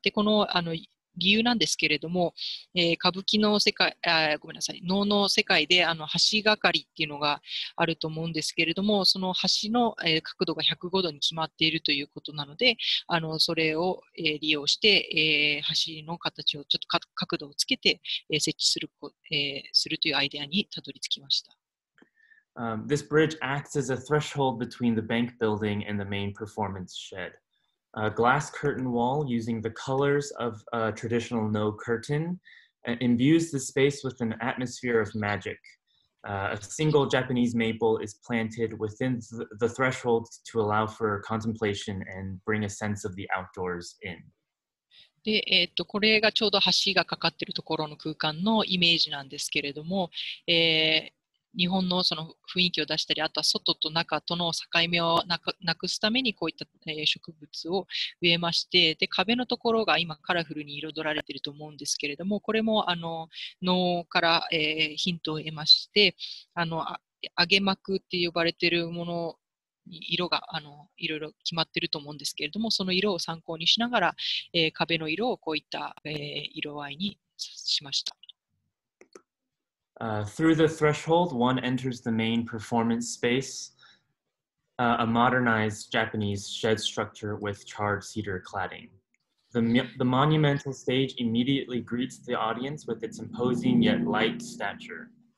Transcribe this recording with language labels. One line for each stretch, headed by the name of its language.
Japanese: で、この、理由なんですけれども、歌舞伎の世界、ごめんなさい、能の世界で橋がかりっていうのがあると思うんですけれども、その橋の、角度が105度に決まっているということなので、それを、利用して、橋の形をちょっと角度をつけて、設置する、するというアイデアにたどり着きました。
English: This bridge acts as a threshold between the bank building and the main performance shed. A glass curtain wall using the colors of a traditional no curtain imbues the space with an atmosphere of magic. A single Japanese maple is planted within the threshold to allow for contemplation and bring a sense of the outdoors in.
Japanese: で、これがちょうど橋がかかっているところの空間のイメージなんですけれども、日本のその雰囲気を出したり、あとは外と中との境目をなくすためにこういった植物を植えまして、で壁のところが今カラフルに彩られていると思うんですけれども、これも能から、ヒントを得まして、揚げ幕って呼ばれているもの、色がいろいろ決まっていると思うんですけれども、その色を参考にしながら、壁の色をこういった、色合いにしました。
English: Through the threshold, one enters the main performance space, a modernized Japanese shed structure with charred cedar cladding. The monumental stage immediately greets the audience with its imposing yet light stature.